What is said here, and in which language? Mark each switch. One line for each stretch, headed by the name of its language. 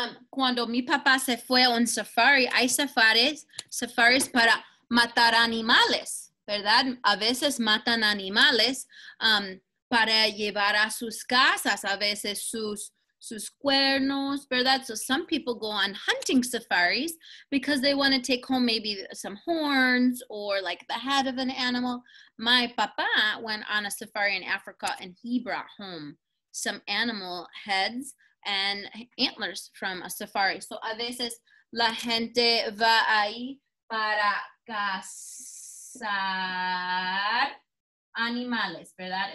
Spanish: Cuando mi papá se fue a un safari, hay safaris para matar animales, ¿verdad? A veces matan animales para llevar a sus casas, a veces sus cuernos, ¿verdad?
English: So some people go on hunting safaris because they want to take home maybe some horns or like the head of an animal. My papá went on a safari in Africa and he brought home some animal heads and antlers from a safari.
Spanish: So a veces la gente va ahí para cazar animales, ¿verdad?